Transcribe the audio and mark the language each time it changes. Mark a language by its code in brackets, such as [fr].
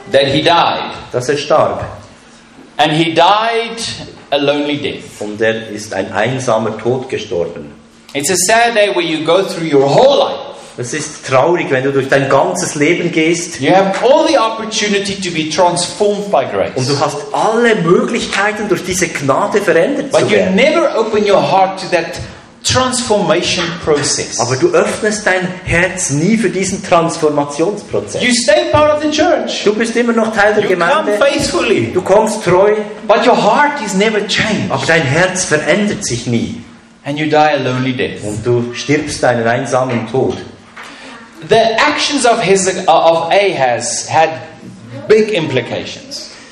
[en] that he died. [de] Dass er starb. [en] And he died a lonely death. [de] Und er ist ein einsamer Tod gestorben. [en] It's a sad day when you go through your whole life. [de] Es ist traurig, wenn du durch dein ganzes Leben gehst. [en] You have all the opportunity to be transformed by grace. [de] Und du hast alle Möglichkeiten, durch diese Gnade verändert zu werden. [en] But you never open your heart to that transformation process. [de] Aber du öffnest dein Herz nie für diesen Transformationsprozess. [en] You stay part of the church. [de] Du bist immer noch Teil der [en] you [de] Gemeinde. [en] Come faithfully. [de] Du kommst treu. [en] But your heart is never changed. [de] Aber dein Herz verändert sich nie. [en] And you die a lonely death. [de] Und du stirbst einen einsamen Tod. [en] The actions of Ahaz had big implications.